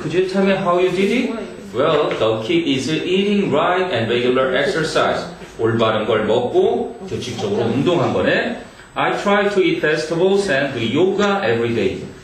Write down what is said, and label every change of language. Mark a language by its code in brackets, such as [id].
[en] Could you tell me how you did it? Well, the key is eating right and regular exercise. [ko] 올바른 걸 먹고 규칙적으로 운동한 거네. [en] I try to eat vegetables and do yoga every day.